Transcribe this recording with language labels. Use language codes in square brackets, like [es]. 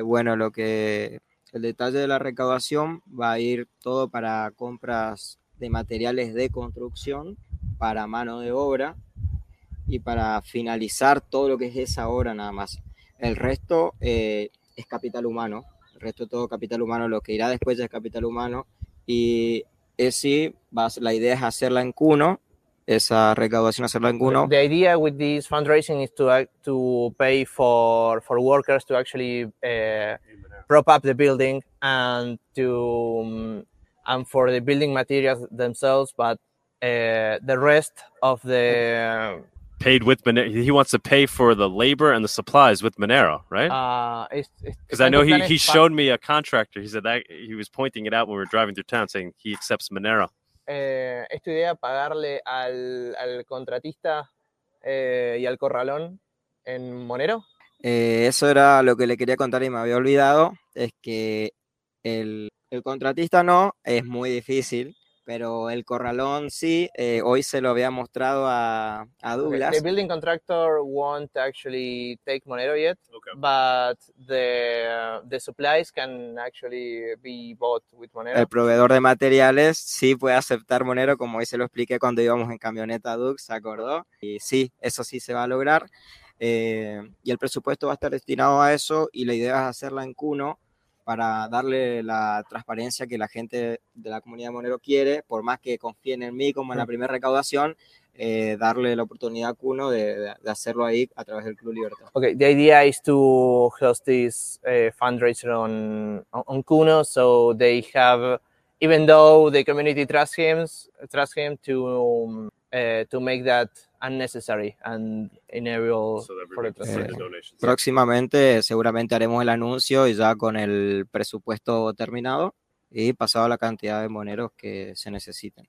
[es] Bueno, lo que el detalle de la recaudación va a ir todo para compras de materiales de construcción, para mano de obra y para finalizar todo lo que es esa obra nada más. El resto es capital humano, el resto todo capital humano, lo que irá después ya es capital humano. Y sí, la idea es hacerla en cuno, esa recaudación hacerla en cuno. [en] The idea with this fundraising is to pay for workers to actually prop up the building and to and for the building materials themselves, but the rest of the paid with Monero. He wants to pay for the labor and the supplies with Monero, right? Because I know he showed me a contractor. He said that he was pointing it out when we were driving through town, saying he accepts Monero. [es] Es tu idea pagarle al contratista y al corralón en Monero. Eso era lo que le quería contar y me había olvidado. Es que el contratista no es muy difícil. Pero el corralón sí, hoy se lo había mostrado a Douglas. [en] The building contractor won't actually take Monero yet, okay. But the supplies can actually be bought with Monero. [es] El proveedor de materiales sí puede aceptar Monero, como hoy se lo expliqué cuando íbamos en camioneta a Doug, ¿se acordó? Y sí, eso sí se va a lograr. Y el presupuesto va a estar destinado a eso y la idea es hacerla en cuno. Para darle la transparencia que la gente de la comunidad de Monero quiere, por más que confíen en mí como en la primera recaudación, darle la oportunidad a Cuno de hacerlo ahí a través del Club Libertad. [en] Okay, the idea is to host this fundraiser on Cuno, so they have, even though the community trusts him to make that unnecessary and enable so for the donations. [es] Próximamente seguramente haremos el anuncio y ya con el presupuesto terminado y pasado la cantidad de moneros que se necesiten.